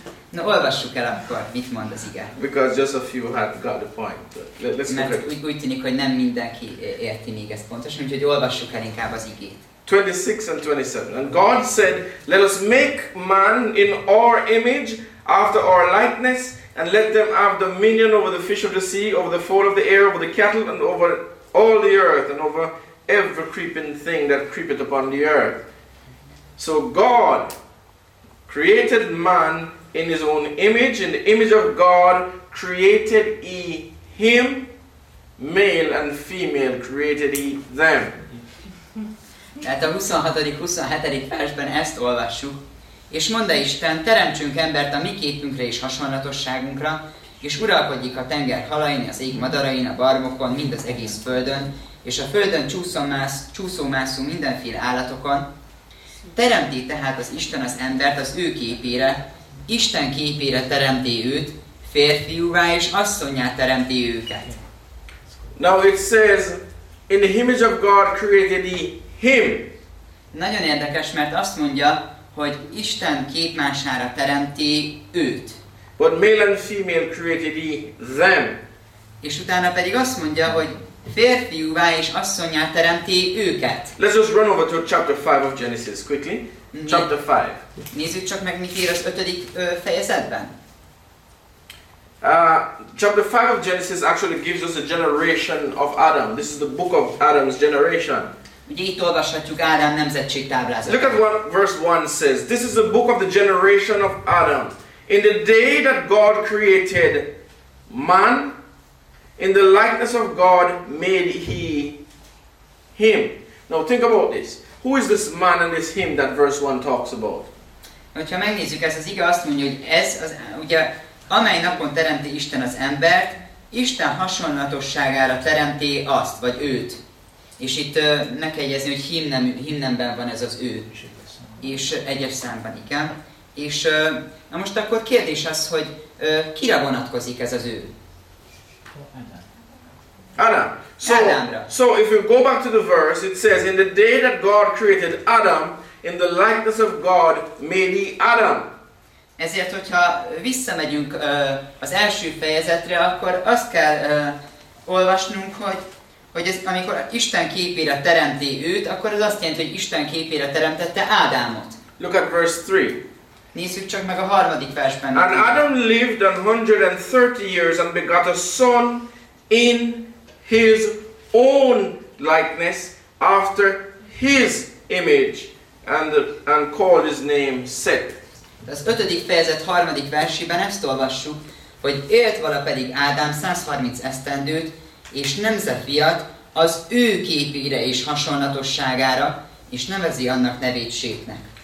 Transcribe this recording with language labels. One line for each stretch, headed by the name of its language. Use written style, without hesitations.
Hungarian: Na, olvassuk el akkor, mit mond az ige.
English: Because just a few had got the point. Let's
Hungarian: mert
English: look at
Hungarian: úgy tűnik, hogy nem mindenki érti még ezt pontosan, úgyhogy olvassuk el inkább az igét.
English: 26 and 27. And God said, let us make man in our image, after our likeness, and let them have dominion over the fish of the sea, over the fowl of the air, over the cattle, and over all the earth, and over every creeping thing that creepeth upon the earth. So God created man in his own image, in the image of God created he him, male and female created he them.
Hungarian: Tehát a 26-27. Versben ezt olvassuk. És mondta Isten, teremtsünk embert a mi képünkre és hasonlatosságunkra, és uralkodjék a tenger halain, az ég madarain, a barmokon, mind az egész földön, és a földön csúszómászú mindenféle állatokon. Teremti tehát az Isten az embert az ő képére, Isten képére teremti őt, férfiúvá és asszonyá teremti őket.
English: Now it says, in the image of God created he him.
Hungarian: Nagyon érdekes, mert azt mondja, hogy Isten képmására teremti őt.
English: But male and female created he them.
Hungarian: És utána pedig azt mondja, hogy férfiúvá és asszonyá teremti őket.
English: Let's just run over to chapter 5 of Genesis quickly. Chapter 5.
Hungarian: Nézzük csak meg, mit ír az 5. fejezetben.
English: Chapter 5 of Genesis actually gives us a generation of Adam. This is the book of Adam's generation.
Hungarian: Ugye itt olvashatjuk Ádám nemzetség táblázatát.
English: Look at what verse 1 says. This is the book of the generation of Adam. In the day that God created man, in the likeness of God made he him. Now think about this. Who is this man and this him that verse 1 talks about?
Hungarian: Hogyha megnézzük, ez az ige azt mondja, hogy ez az, ugye, amely napon teremti Isten az embert, Isten hasonlatosságára teremté azt, vagy őt. És itt ne kell jegyezni, hogy himnemben van ez az ő. És egyes számban, igen. És na most akkor kérdés az, hogy kire vonatkozik ez az ő?
English: Adam. So if you go back to the verse, it says, in the day that God created Adam, in the likeness of God made he Adam.
Hungarian: Ezért, hogyha visszamegyünk az első fejezetre, akkor azt kell olvasnunk, hogy ez, amikor Isten képére teremti őt, akkor az azt jelenti, hogy Isten képére teremtette Ádámot.
English: Look at verse 3.
Hungarian: Nézzük csak meg a harmadik versben.
English: And Adam lived 130 years and begot a son in his own likeness after his image and called his name Seth.
Hungarian: Az 5. fejezet 3. versében ezt olvassuk, hogy élt vala pedig Ádám 130 esztendőt, és nemze fiat az ő képére és hasonlatosságára, és nevezi annak nevét Sétnek.